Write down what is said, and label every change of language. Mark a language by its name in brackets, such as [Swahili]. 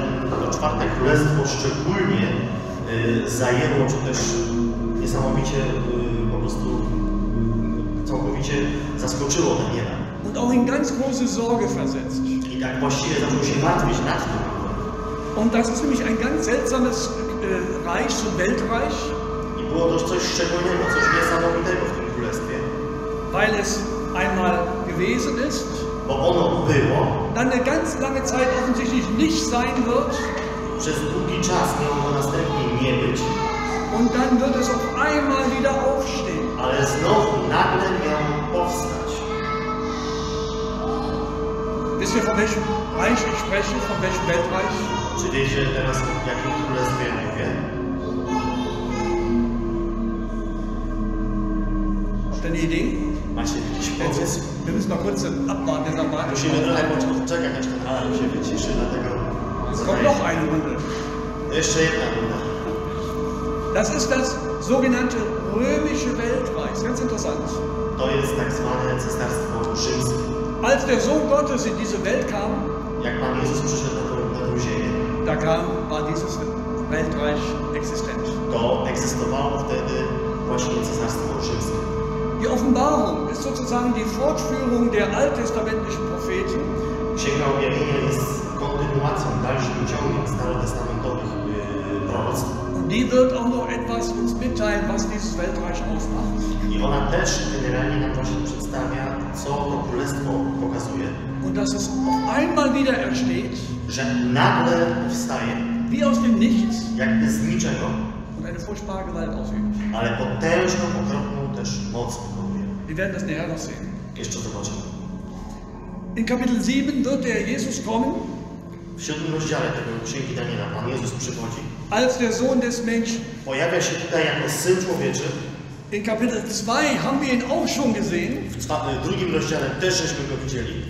[Polish] To czwarte królestwo szczególnie zajęło, czy też niesamowicie, po prostu całkowicie zaskoczyło Daniela. [German] Und auch in ganz große Sorge versetzt. [Polish] I tak właściwie zaczął się martwić nad tym. [German] Und das ist nämlich ein ganz seltsames Reich, so Weltreich. [Polish] I było to coś szczególnego, coś niesamowitego w tym królestwie. [German] Weil es einmal gewesen ist. [Polish] Bo ono było. [German] Dann eine ganz lange Zeit offensichtlich nicht sein wird. [Polish] Przez długi czas miało następnie nie być. [German] Und dann wird es auf einmal wieder aufstehen. [Polish] Ale znowu nagle miało powstać. [German] Wisst ihr, von welchem Reich ich spreche? Von welchem Weltreich? [Polish] Czy wiecie teraz, o jakim królestwie mówię? [German] Ten idee? [Polish] Macie jakiś pomysł? [German] Wir müssen mal kurz abwarten, dann warten. [Polish] Musimy trochę poczekać, aż ten alarm się wyciszy, dlatego. [German] Kommt noch eine Runde. [Polish] Jeszcze jedna runda. [German] Das ist das sogenannte römische Weltreich. Ganz interessant. [Polish] To jest tak zwane cesarstwo rzymskie. [German] Als der Sohn Gottes in diese Welt kam, [Polish] jak Pan Jezus przyszedł na tę ziemię, [German] da kam, war dieses Weltreich existent. [Polish] To existowało wtedy właśnie cesarstwo rzymskie. [German] Die Offenbarung ist sozusagen die Fortführung der alttestamentlichen Propheten. [Polish] Księga Objawienia jest kontynuacją dalszych działań starotestamentowych proroctw. [German] Und die wird auch noch etwas uns mitteilen, was dieses Weltreich ausmacht. [Polish] I ona też generalnie nam właśnie przedstawia, co to królestwo pokazuje. [German] Und dass es auf einmal wieder entsteht. [Polish] Że nagle powstaje. [German] Wie aus dem Nichts. [Polish] Jakby z niczego. [German] Und eine furchtbare Gewalt ausübt. [Polish] Ale potężną, okropną też moc wykonuje. [German] Wir werden das näher noch sehen. [Polish] Jeszcze zobaczymy. [German] In Kapitel 7 wird der Jesus kommen. [Polish] W 7 rozdziale tego księgi Daniela Pan Jezus przychodzi. [German] Als der Sohn des Menschen. [Polish] Pojawia się tutaj jako Syn Człowieczy. [German] In Kapitel 2 haben wir ihn auch schon gesehen. [Polish] W drugim rozdziale też żeśmy go widzieli.